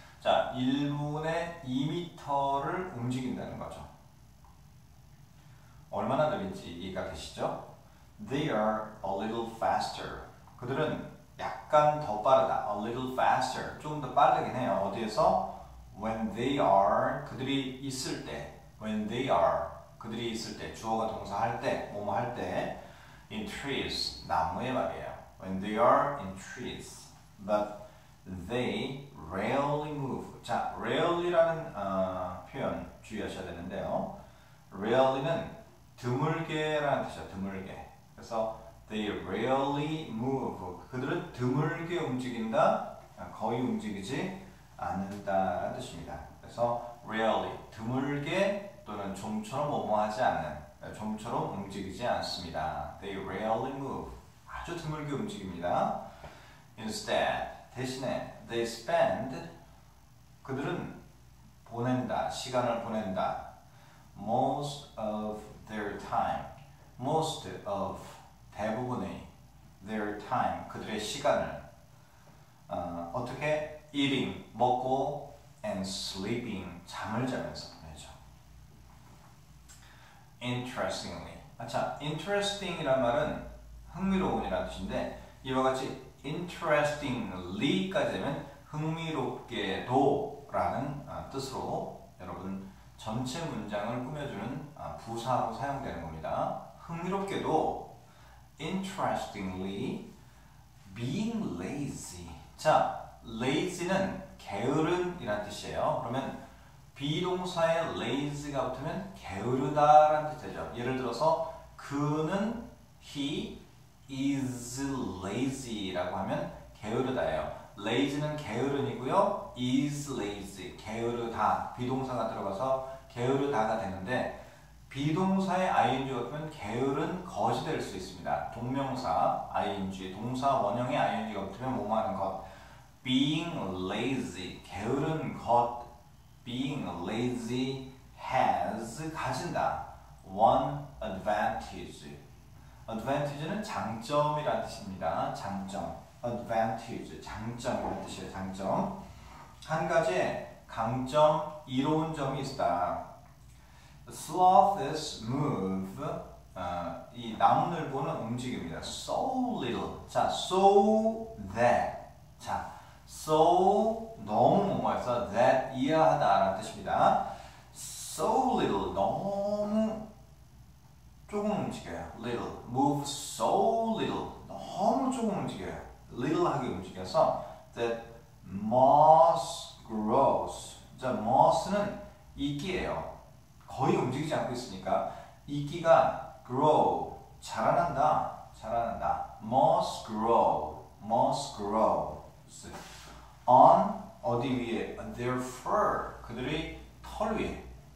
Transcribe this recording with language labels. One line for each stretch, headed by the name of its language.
Korean: 자, 1분에 2m를 움직인다는 거죠. 얼마나 느린지 이해가 되시죠?
English: They are a little faster.
Korean: 그들은 약간 더 빠르다.
English: A little faster.
Korean: 조금 더 빠르긴 해요. 어디에서?
English: When they are.
Korean: 그들이 있을 때.
English: When they are.
Korean: 그들이 있을 때. 주어가 동사할 때. 뭐뭐 할 때.
English: In trees.
Korean: 나무에 말이에요.
English: When they are in trees. But they rarely move.
Korean: 자, rarely라는 표현 주의하셔야 되는데요. Rarely는 드물게라는 뜻이죠. 드물게. 그래서
English: they rarely move.
Korean: 그들은 드물게 움직인다. 거의 움직이지 않는다라는 뜻입니다. 그래서 rarely 드물게 또는 좀처럼 뭐뭐하지 않는, 좀처럼 움직이지 않습니다.
English: They rarely move.
Korean: 아주 드물게 움직입니다. Instead 대신에
English: they spend
Korean: 그들은 보낸다. 시간을 보낸다.
English: Most of their time.
Korean: Most of 대부분의 their time 그들의 시간을 어떻게 eating 먹고 and sleeping 잠을 자면서 보내죠.
English: Interestingly.
Korean: 아차, interesting 이란 말은 흥미로운 이란 뜻인데 이와 같이 interestingly 까지 되면 흥미롭게도 라는 뜻으로 여러분 전체 문장을 꾸며주는 부사로 사용되는 겁니다. 흥미롭게도 interestingly being lazy. 자, lazy는 게으른 이란 뜻이에요. 그러면 비동사에 lazy가 붙으면 게으르다 라는 뜻이 되죠. 예를 들어서 그는
English: he is lazy
Korean: 라고 하면 게으르다예요. lazy는 게으른이고요. is lazy 게으르다 비동사가 들어가서 게으르다가 되는데 비동사의 ing가 붙으면 게으른 것이 될 수 있습니다. 동명사 ing, 동사 원형의 ing가 붙으면 뭐하는 것? being lazy, 게으른 것.
English: being lazy has,
Korean: 가진다.
English: one advantage.
Korean: advantage는 장점이라는 뜻입니다. 장점. advantage, 장점이라는 뜻이에요. 장점. 한 가지의 강점, 이로운 점이 있다.
English: Sloths move.
Korean: 이 나무늘보는 움직입니다.
English: So little. 자, so that.
Korean: 자, so 너무 뭐뭐해서 that 이해하다라는 뜻입니다. So little 너무 조금 움직여요.
English: Little move so little
Korean: 너무 조금 움직여요. Little하게 움직여서 that moss grows. 자, moss는 이끼예요. 거의 움직이지 않고 있으니까 이끼가 grow 자라난다 자라난다
English: moss grow moss grows on
Korean: 어디 위에
English: on their fur
Korean: 그들의 털 위에